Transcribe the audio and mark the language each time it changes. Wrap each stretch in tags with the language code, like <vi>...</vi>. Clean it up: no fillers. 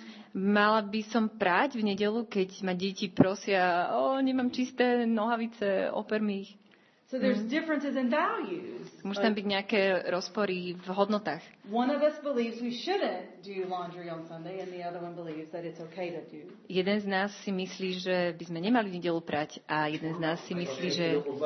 <sk>Mala by som prať v nedeľu, keď ma deti prosia, o, nemám čisté nohavice, oper mi ich.</sk> <en>So there's differences in values.</en> <sk>Môže tam byť nejaké rozpory v hodnotách.</sk> <en>One of us believes we shouldn't do laundry on Sunday and the other one believes that it's okay to do.</en> <sk>Jeden z nás si myslí, že by sme nemali v nedeľu prať a jeden z nás si myslí, že</sk>